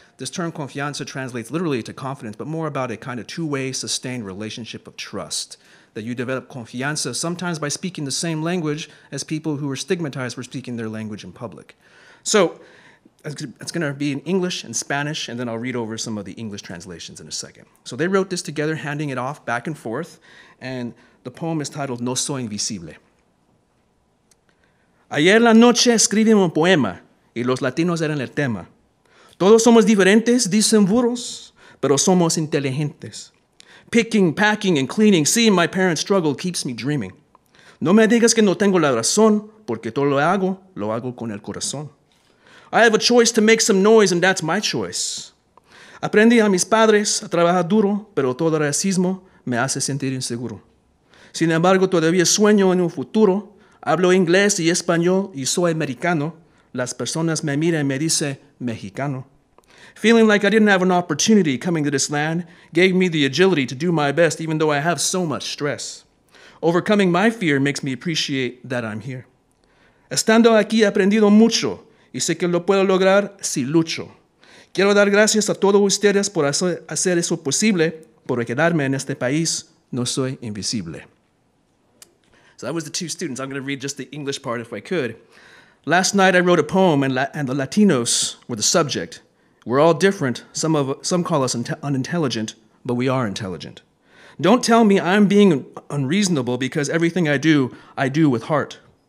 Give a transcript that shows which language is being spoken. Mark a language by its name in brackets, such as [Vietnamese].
[English] This term confianza translates literally to confidence, but more about a kind of two-way sustained relationship of trust, that you develop confianza sometimes by speaking the same language as people who are stigmatized for speaking their language in public. So it's going to be in English and Spanish, and then I'll read over some of the English translations in a second. So they wrote this together, handing it off back and forth, and the poem is titled No Soy Invisible. [Spanish] Ayer la noche escribí un poema, y los latinos eran el tema. Todos somos diferentes, dicen burros, pero somos inteligentes. [English] Picking, packing, and cleaning, seeing my parents struggle keeps me dreaming. [Spanish] No me digas que no tengo la razón, porque todo lo hago con el corazón. [English] I have a choice to make some noise, and that's my choice. [Spanish] Aprendí a mis padres a trabajar duro, pero todo racismo me hace sentir inseguro. Sin embargo, todavía sueño en un futuro. Hablo inglés y español y soy americano. Las personas me miran y me dicen mexicano. [English] Feeling like I didn't have an opportunity coming to this land gave me the agility to do my best, even though I have so much stress. Overcoming my fear makes me appreciate that I'm here. [Spanish] Estando aquí he aprendido mucho. Y sé que lo puedo lograr si lucho. Quiero dar gracias a todos ustedes por hacer eso posible, por quedarme en este país. No soy invisible. [English] So that was the two students. I'm going to read just the English part if I could. Last night I wrote a poem, and the Latinos were the subject. We're all different. Some call us unintelligent, but we are intelligent. Don't tell me I'm being unreasonable because everything I do with heart.